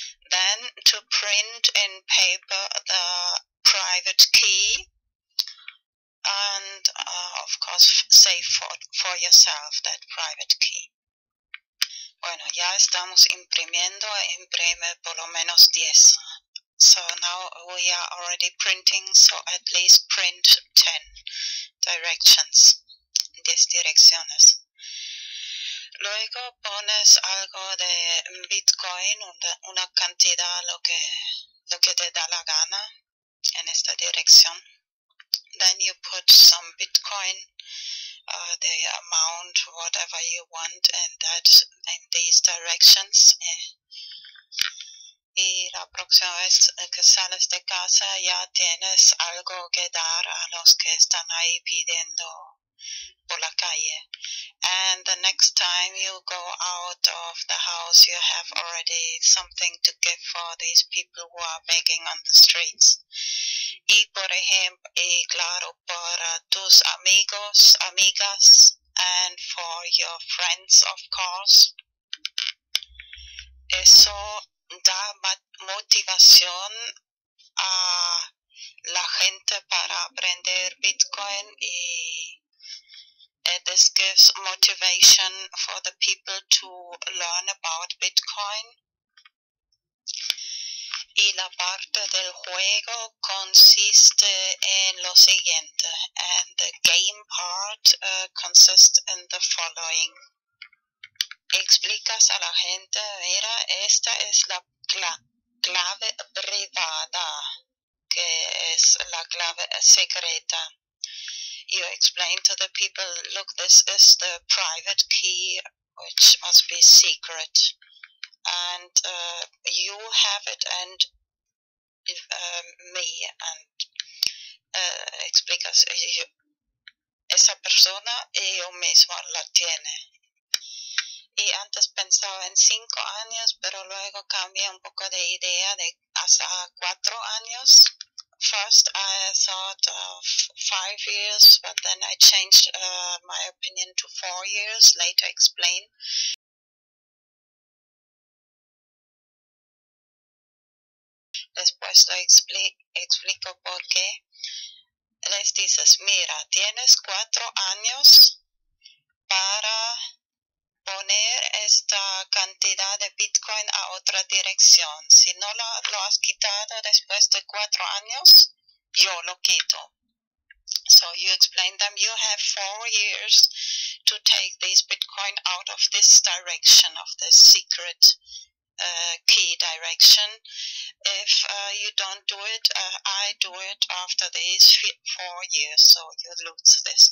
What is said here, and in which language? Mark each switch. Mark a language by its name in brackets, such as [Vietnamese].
[English] Then to print in paper the private key and of course save for yourself that private key. [Spanish] Bueno, ya estamos imprimiendo, imprime por lo menos 10. [English] So now we are already printing, so at least print 10 directions, [Spanish] 10 direcciones. Luego pones algo de Bitcoin, una cantidad, lo que te da la gana en esta dirección. [English] Then you put some Bitcoin, the amount, whatever you want, in these directions. [Spanish] Y la próxima vez que sales de casa ya tienes algo que dar a los que están ahí pidiendo por la calle. [English] And the next time you go out of the house, you have already something to give for these people who are begging on the streets. [Spanish] Y por ejemplo, y claro, para tus amigos, amigas, [English] and for your friends, of course. [Spanish] Eso da motivación a la gente para aprender Bitcoin y [English] this gives motivation for the people to learn about Bitcoin. [Spanish] Y la parte del juego consiste en lo siguiente. [English] And the game part consists in the following. [Spanish] Explicas a la gente, mira, esta es la clave privada, que es la clave secreta. [English] You explain to the people, look, this is the private key, which must be secret. And you have it, and me, and [Spanish] explicas, yo, esa persona y yo mismo la tiene. Y antes pensaba en 5 años, pero luego cambié un poco de idea de hasta 4 años. [English] First, I thought of 5 years, but then I changed my opinion to 4 years. Later, explain. [Spanish] Después lo explico por qué. Les dices, mira, tienes 4 años para poner esta cantidad de Bitcoin a otra dirección. Si no lo has quitado después de 4 años, yo lo quito. [English] So you explain them, you have 4 years to take this Bitcoin out of this direction, of this secret key direction. If you don't do it, I do it after these 4 years, so you lose this.